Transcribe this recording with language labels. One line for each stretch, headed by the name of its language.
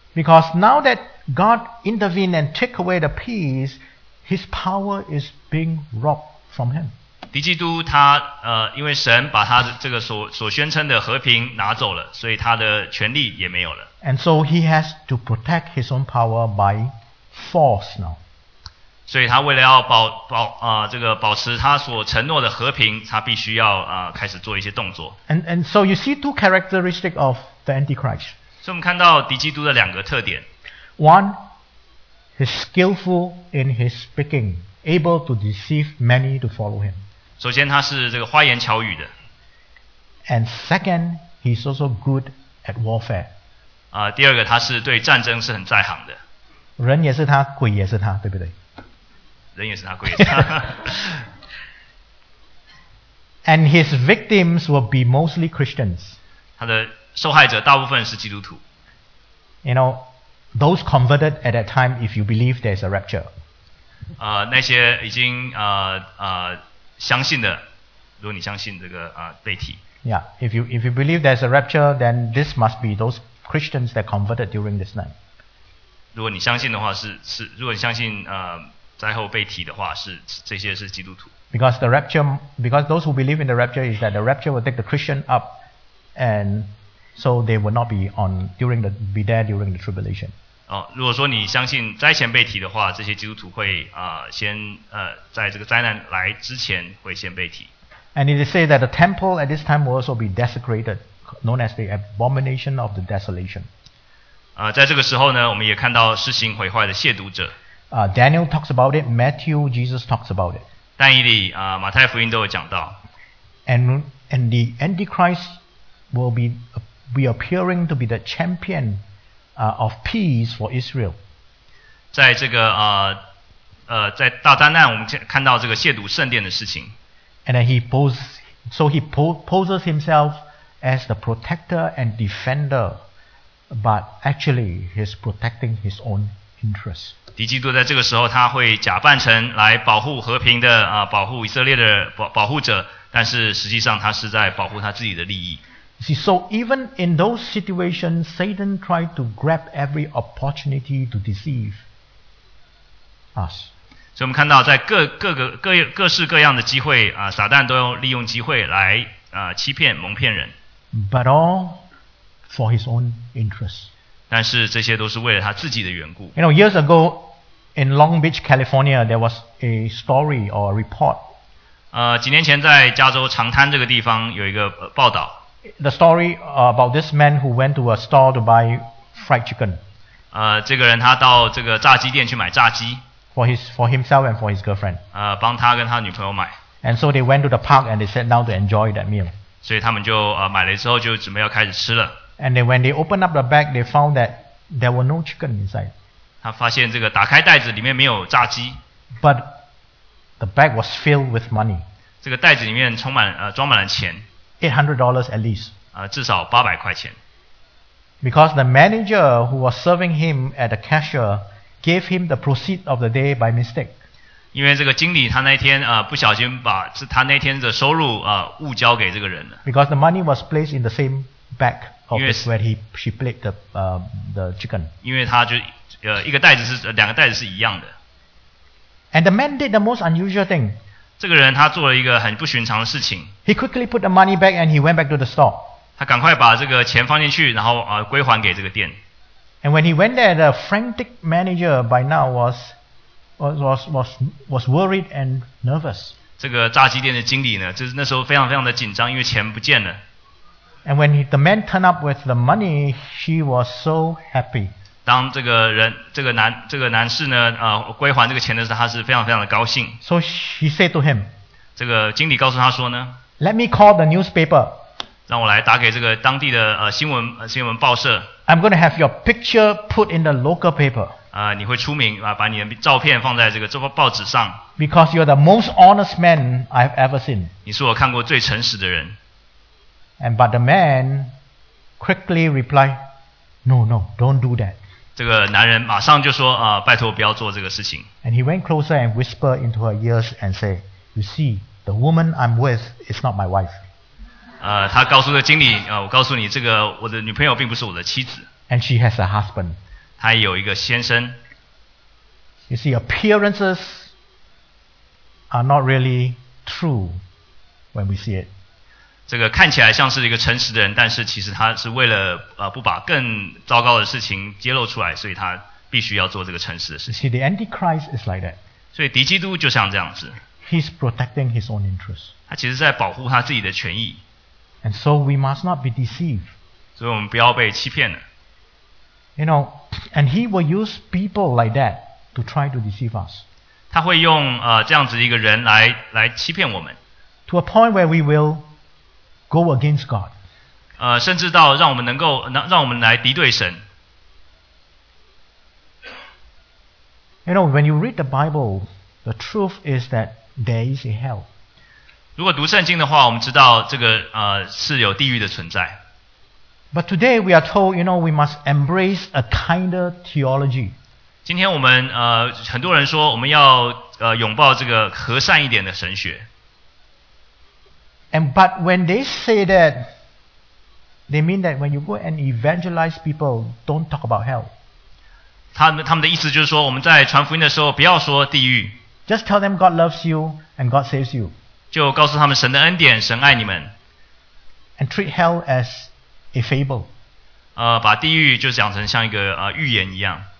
English: Because now that God intervened and took away the peace, His power is being robbed from Him.
Chinese: 敌基督他因为神把他这个所宣称的和平拿走了，所以他的权力也没有了。
English: And so he has to protect his own power by force now.
Chinese: 所以他为了要保持他所承诺的和平，他必须要开始做一些动作。
English: And so you see two characteristics of the Antichrist.
Chinese: 所以我们看到敌基督的两个特点。
English: One, he's skillful in his speaking, able to deceive many to follow him.
Chinese: 首先他是这个花言巧语的。
English: And second, he's also good at warfare.
Chinese: 第二个他是对战争是很在行的。人也是他，鬼也是他，对不对？人也是他，鬼也是他。
English: And his victims will be mostly Christians.
Chinese: 他的受害者大部分是基督徒。
English: You know, those converted at that time, if you believe there's a rapture.
Chinese: 那些已经相信的，如果你相信这个被提。
English: Yeah, if you believe there's a rapture, then this must be those Christians that converted during this time.
Chinese: 如果你相信的话，是如果你相信灾后被提的话，是这些是基督徒。
English: Because those who believe in the rapture is that the rapture will take the Christian up and so they will not be there during the tribulation.
Chinese: 如果说你相信灾前被提的话，这些基督徒会在这个灾难来之前会先被提。
English: And it is said that the temple at this time will also be desecrated, known as the abomination of the desolation.
Chinese: 在这个时候呢，我们也看到施行毁坏的亵渎者。
English: Daniel talks about it. Matthew, Jesus talks about it.
Chinese: 但以理马太福音都有讲到。
English: And the Antichrist will be appearing to be the champion of peace for Israel.
Chinese: 在这个在大灾难，我们看到这个亵渎圣殿的事情。
English: And then he poses himself as the protector and defender, but actually he's protecting his own interests.
Chinese: 敌基督在这个时候，他会假扮成来保护和平的保护以色列的保护者，但是实际上他是在保护他自己的利益。
English: See, so even in those situations, Satan tried to grab every opportunity to deceive us.
Chinese: 所以我们看到在各式各样的机会撒旦都利用机会来欺骗蒙骗人。
English: But all for his own interests.
Chinese: 但是这些都是为了他自己的缘故。
English: You know, years ago, in Long Beach, California, there was a story or a report.
Chinese: 几年前在加州长滩这个地方有一个报道。
English: The story about this man who went to a store to buy fried chicken.
Chinese: 这个人他到这个炸鸡店去买炸鸡。
English: For himself and for his girlfriend.
Chinese: 帮他跟他女朋友买。
English: And so they went to the park and they sat down to enjoy that meal.
Chinese: 所以他们就买了之后就准备要开始吃了。
English: And when they opened up the bag, they found that there were no chicken inside.
Chinese: 他发现这个打开袋子里面没有炸鸡。
English: But the bag was filled with money.
Chinese: 这个袋子里面装满了钱。
English: $800 at least.
Chinese: 至少800块钱。
English: Because the manager who was serving him at the cashier gave him the proceed of the day by mistake.
Chinese: 因为这个经理他那天不小心把他那天的收入误交给这个人了。
English: Because the money was placed in the same bag of where she placed the chicken.
Chinese: 因为他就一个袋子是两个袋子是一样的。
English: And the man did the most unusual thing.
Chinese: 这个人他做了一个很不寻常的事情。
English: He quickly put the money back and he went back to the store.
Chinese: 他赶快把这个钱放进去，然后归还给这个店。
English: And when he went there, the frantic manager by now was worried and nervous.
Chinese: 这个炸鸡店的经理呢，就是那时候非常非常的紧张，因为钱不见了。
English: And when the man turned up with the money, she was so happy.
Chinese: 当这个男士呢，归还这个钱的时候，他是非常非常的高兴。
English: So he said to him,
Chinese: 这个经理告诉他说呢，
English: Let me call the newspaper.
Chinese: 让我来打给这个当地的新闻报社。
English: I'm going to have your picture put in the local paper.
Chinese: 你会出名把你的照片放在这个报纸上。
English: Because you're the most honest man I've ever seen.
Chinese: 你是我看过最诚实的人。
English: But the man quickly replied, No, no, don't do that.
Chinese: 这个男人马上就说拜托不要做这个事情。
English: And he went closer and whispered into her ears and said, You see, the woman I'm with is not my wife.
Chinese: 他告诉了经理我告诉你这个我的女朋友并不是我的妻子。
English: And she has a husband.
Chinese: 她有一个先生。
English: You see, appearances are not really true when we see it.
Chinese: 这个看起来像是一个诚实的人，但是其实他是为了不把更糟糕的事情揭露出来，所以他必须要做这个诚实的事情。
English: You see, the Antichrist is like that.
Chinese: 所以敌基督就像这样子。
English: He's protecting his own interests.
Chinese: 他其实在保护他自己的权益。
English: And so we must not be deceived.
Chinese: 所以我们不要被欺骗了。
English: You know, and he will use people like that to try to deceive us.
Chinese: 他会用这样子一个人来欺骗我们。
English: To a point where we will go against God.
Chinese: 甚至到让我们能够让我们来敌对神。
English: You know, when you read the Bible, the truth is that there is a hell.
Chinese: 如果读圣经的话，我们知道这个是有地狱的存在。
English: But today we are told, you know, we must embrace a kinder theology.
Chinese: 今天我们很多人说我们要拥抱这个和善一点的神学。
English: And but when they say that, they mean that when you go and evangelize people, don't talk about hell.
Chinese: 他们的意思就是说，我们在传福音的时候不要说地狱。
English: Just tell them God loves you and God saves you.
Chinese: 就告诉他们神的恩典，神爱你们。
English: And treat hell as a fable.
Chinese: 把地狱就讲成像一个预言一样。